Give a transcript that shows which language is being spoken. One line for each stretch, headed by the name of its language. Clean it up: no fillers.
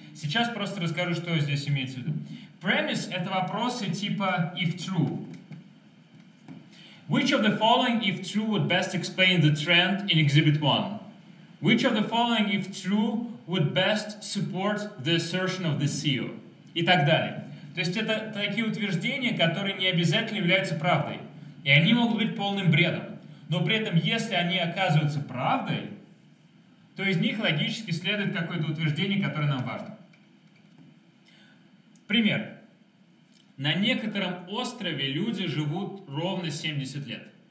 Russian: Сейчас просто расскажу, что здесь имеется в виду. Premise — это вопросы типа
English: if true. Which of the following if true would best explain the trend in exhibit 1? Which of the following if true would best support the assertion of the CEO?
Russian: И так далее. То есть это такие утверждения, которые не обязательно являются правдой. И они могут быть полным бредом. Но при этом, если они оказываются правдой, то из них логически следует какое-то утверждение, которое нам важно. Пример. На некотором острове люди живут ровно 70 лет.